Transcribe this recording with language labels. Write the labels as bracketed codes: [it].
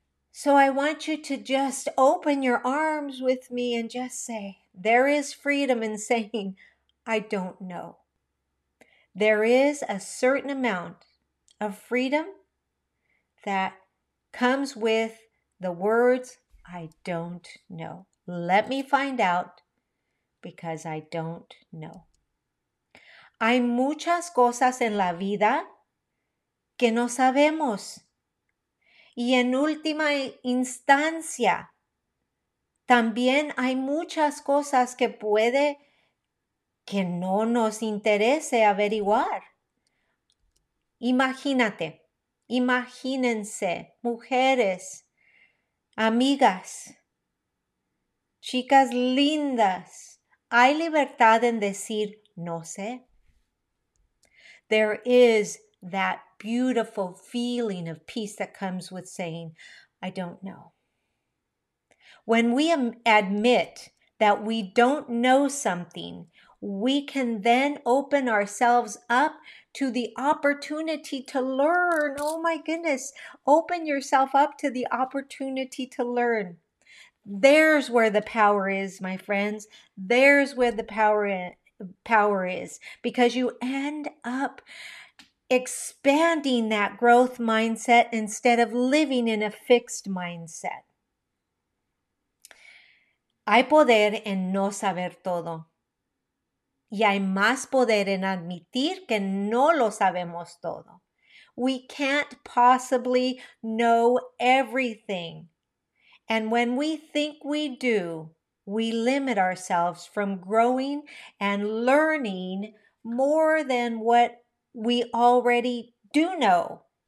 [en] So I want you to just open your arms with me and just say, there is freedom in saying, I don't know. There is a certain amount of freedom that comes with the words, I don't know. Let me find out because I don't know. [es] Hay muchas cosas en la vida que no sabemos. Y en última instancia, también hay muchas cosas que puede que no nos interese averiguar. Imagínate, imagínense, mujeres, amigas, chicas lindas, hay libertad en decir no sé. [en] There is that beautiful feeling of peace that comes with saying, I don't know. When we admit that we don't know something, we can then open ourselves up to the opportunity to learn. Oh my goodness, open yourself up to the opportunity to learn. There's where the power is, my friends. There's where the power is, because you end up expanding that growth mindset instead of living in a fixed mindset. [es] Hay poder en no saber todo. Y hay más poder en admitir que no lo sabemos todo. [en] We can't possibly know everything. And when we think we do, we limit ourselves from growing and learning more than what we already do know.